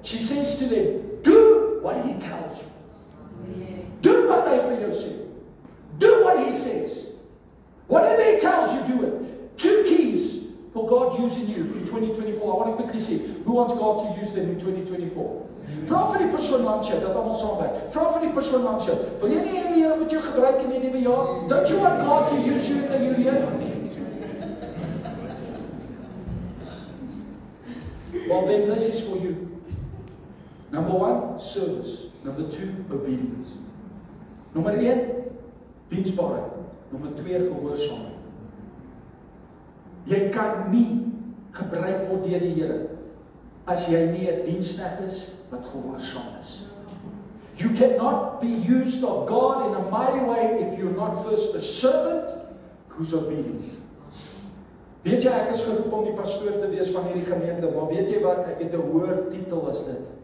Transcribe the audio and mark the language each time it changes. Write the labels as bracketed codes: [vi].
[en] She says to them, do what he tells you. [af] Do wat hy vir jou sê. [en] Do what he says. Whatever he tells you, do it. Two keys for God using you in 2024. I want to quickly see, who wants God to use them in 2024? [af] Vra vir die persoon langs jou, dat almal saamwerk. Vra vir die persoon langs jou, wil jy nie die Here met jou gebruik in die nuwe jaar? [en] Don't you want God to use you in the new year? Well then, this is for you. Number one, service. Number two, obedience. [af] Number een, diensbaarheid. Number twee, gehoorsaamheid. Jy kan nie gebruik word deur die Here as jy nie 'n diensknegt is wat gehoorsaam is. [en] You cannot be used of God in a mighty way if you're not first a servant who's obedient. [af] Weet jy, ek is geroep om die pastoor te wees van hierdie gemeente, maar weet jy wat, ek het 'n hoër titel as dit.